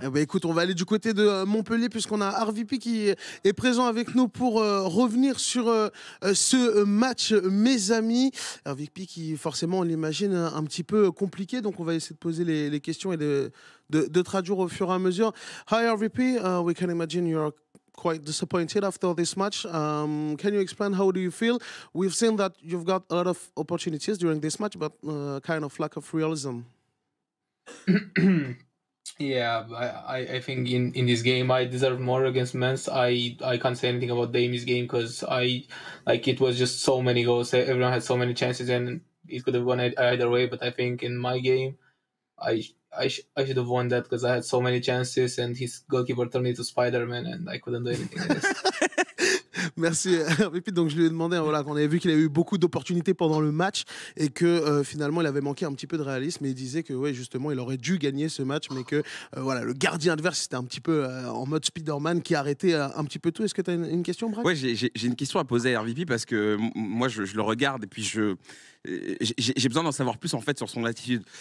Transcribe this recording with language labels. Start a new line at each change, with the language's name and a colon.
French: Eh bah écoute, on va aller du côté de Montpellier, puisqu'on a RVP qui est présent avec nous pour revenir sur ce match, mes amis. RVP qui, forcément, on l'imagine un petit peu compliqué, donc on va essayer de poser les questions et de traduire au fur et à mesure.
English: Hi RVP, we can imagine you are quite disappointed after this match. Can you explain how do you feel? We've seen that you've got a lot of opportunities during this match, but kind of lack of realism. Yeah, I think in this game I deserve more against Mainz. I can't say anything about Daimi's game, because I like it was just so many goals. Everyone had so many chances and it could have gone either way. But I think in my game, I should have won that, because I had so many chances and his goalkeeper turned into Spider-Man and I couldn't do anything else.
French: Merci. Et puis donc je lui ai demandé, voilà, qu'on avait vu qu'il avait eu beaucoup d'opportunités pendant le match et que finalement il avait manqué un petit peu de réalisme, et il disait que ouais, justement il aurait dû gagner ce match, mais que voilà, le gardien adverse c'était un petit peu en mode Spider-Man qui arrêtait un petit peu tout. Est-ce que tu as une question, Brack? Ouais, j'ai une question à poser à RVP, parce que moi je le regarde et puis j'ai besoin d'en savoir plus en fait sur son attitude.